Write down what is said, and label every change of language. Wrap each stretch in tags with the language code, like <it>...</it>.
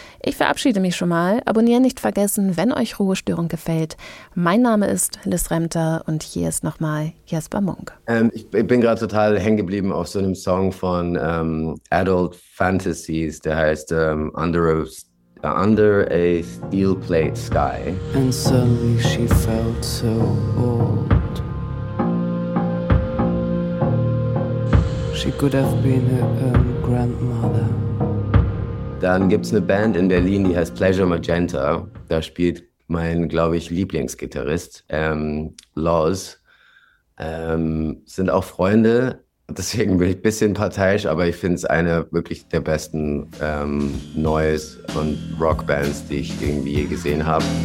<de>Ich verabschiede mich schon mal. Abonnieren nicht vergessen, wenn euch Ruhestörung gefällt. Mein Name ist Liz Remter und hier ist nochmal Jesper Munk. Ich bin gerade total hängen geblieben auf so einem Song von Adult Fantasies, der heißt Under a Steel Plate Sky.</de> <en>And suddenly she felt so old. She could have been her grandmother.</en> <de>Dann gibt es eine Band in Berlin, die heißt Pleasure Magenta. Da spielt mein, glaube ich, Lieblingsgitarrist, Loz. Sind auch Freunde, deswegen bin ich ein bisschen parteiisch, aber ich finde es eine wirklich der besten Noise- und Rockbands, die ich irgendwie je gesehen habe.</de>